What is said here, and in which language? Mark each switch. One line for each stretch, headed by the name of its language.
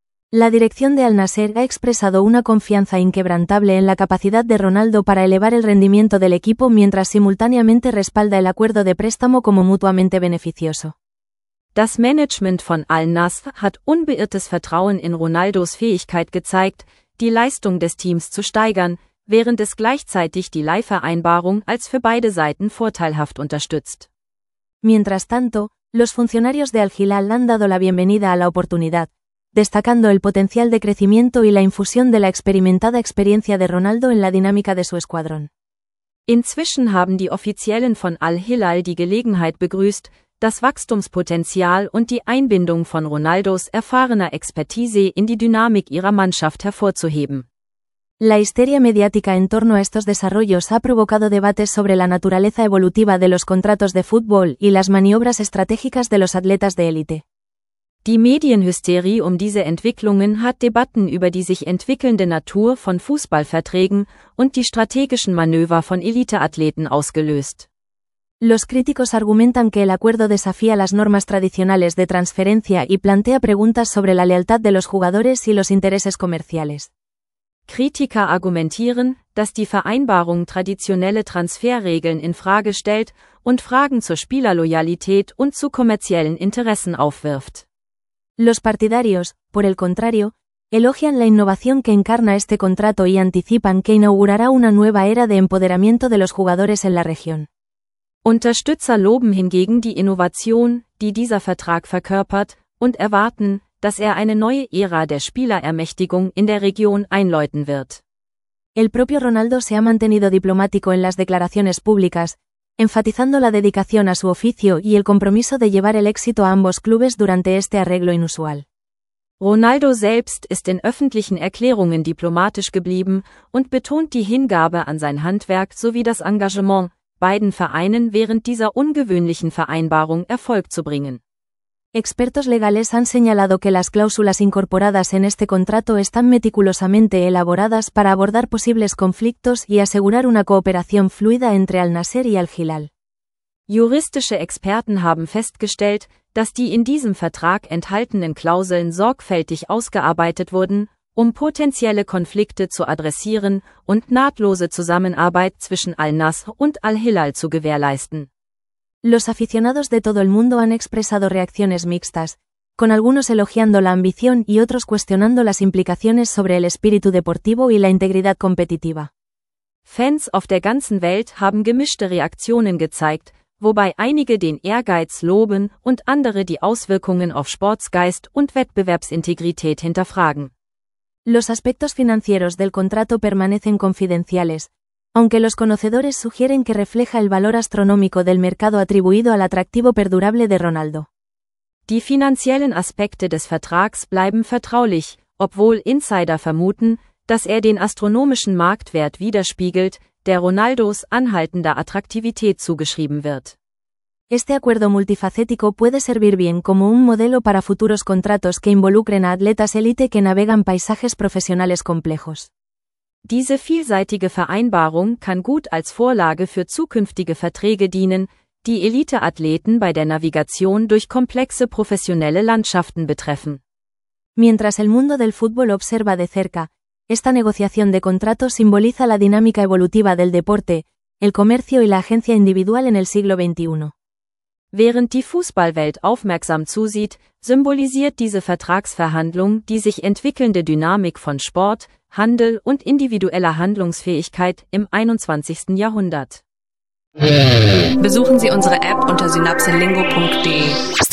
Spanish: La dirección de Al-Nassr ha expresado una confianza inquebrantable en la capacidad de Ronaldo para elevar el rendimiento del equipo mientras simultáneamente respalda el acuerdo de préstamo como mutuamente beneficioso.
German: Das Management von Al-Nassr hat unbeirrtes Vertrauen in Ronaldos Fähigkeit gezeigt, die Leistung des Teams zu steigern, während es gleichzeitig die Leihvereinbarung als für beide Seiten vorteilhaft unterstützt.
Spanish: Mientras tanto, los funcionarios de Al-Hilal han dado la bienvenida a la oportunidad, destacando el potencial de crecimiento y la infusión de la experimentada experiencia de Ronaldo en la dinámica de su escuadrón.
German: Inzwischen haben die Offiziellen von Al-Hilal die Gelegenheit begrüßt, das Wachstumspotenzial und die Einbindung von Ronaldos erfahrener Expertise in die Dynamik ihrer Mannschaft hervorzuheben.
Spanish: La histeria mediática en torno a estos desarrollos ha provocado debates sobre la naturaleza evolutiva de los contratos de fútbol y las maniobras estratégicas de los atletas de élite.
German: Die Medienhysterie um diese Entwicklungen hat Debatten über die sich entwickelnde Natur von Fußballverträgen und die strategischen Manöver von Eliteathleten ausgelöst.
Spanish: Los críticos argumentan que el acuerdo desafía las normas tradicionales de transferencia y plantea preguntas sobre la lealtad de los jugadores y los intereses comerciales.
German: Kritiker argumentieren, dass die Vereinbarung traditionelle Transferregeln in Frage stellt und Fragen zur Spielerloyalität und zu kommerziellen Interessen aufwirft.
Spanish: Los partidarios, por el contrario, elogian la innovación que encarna este contrato y anticipan que inaugurará una nueva era de empoderamiento de los jugadores en la región.
German: Unterstützer loben hingegen die Innovation, die dieser Vertrag verkörpert, und erwarten, dass er eine neue Ära der Spielerermächtigung in der Region einläuten wird.
Spanish: El propio Ronaldo se ha mantenido diplomático en las declaraciones públicas, enfatizando la dedicación a su oficio y el compromiso de llevar el éxito a ambos clubes durante este arreglo inusual.
German: Ronaldo selbst ist in öffentlichen Erklärungen diplomatisch geblieben und betont die Hingabe an sein Handwerk sowie das Engagement, beiden Vereinen während dieser ungewöhnlichen Vereinbarung Erfolg zu bringen.
Spanish: Expertos legales han señalado que las cláusulas incorporadas en este contrato están meticulosamente elaboradas para abordar posibles conflictos y asegurar una cooperación fluida entre Al-Nassr y Al-Hilal.
German: Juristische Experten haben festgestellt, dass die in diesem Vertrag enthaltenen Klauseln sorgfältig ausgearbeitet wurden, um potenzielle Konflikte zu adressieren und nahtlose Zusammenarbeit zwischen Al-Nassr und Al-Hilal zu gewährleisten.
Spanish: Los aficionados de todo el mundo han expresado reacciones mixtas, con algunos elogiando la ambición y otros cuestionando las implicaciones sobre el espíritu deportivo y la integridad competitiva.
German: Fans auf der ganzen Welt haben gemischte Reaktionen gezeigt, wobei einige den Ehrgeiz loben und andere die Auswirkungen auf Sportsgeist und Wettbewerbsintegrität hinterfragen.
Spanish: Los aspectos financieros del contrato permanecen confidenciales, aunque los conocedores sugieren que refleja el valor astronómico del mercado atribuido al atractivo perdurable de Ronaldo.
German: Die finanziellen Aspekte des Vertrags bleiben vertraulich, obwohl Insider vermuten, dass er den astronomischen Marktwert widerspiegelt, der Ronaldos anhaltender Attraktivität zugeschrieben wird.
Spanish: Este acuerdo multifacético puede servir bien como un modelo para futuros contratos que involucren a atletas élite que navegan paisajes profesionales complejos.
German: Diese vielseitige Vereinbarung kann gut als Vorlage für zukünftige Verträge dienen, die Elite-Athleten bei der Navigation durch komplexe professionelle Landschaften betreffen.
Spanish: Mientras el mundo del fútbol observa de cerca, esta negociación de contratos simboliza la dinámica evolutiva del deporte, el comercio y la agencia individual en el siglo XXI.
German: Während die Fußballwelt aufmerksam zusieht, symbolisiert diese Vertragsverhandlung die sich entwickelnde Dynamik von Sport, Handel und individueller Handlungsfähigkeit im 21. Jahrhundert. Besuchen Sie unsere App unter synapsenlingo.de.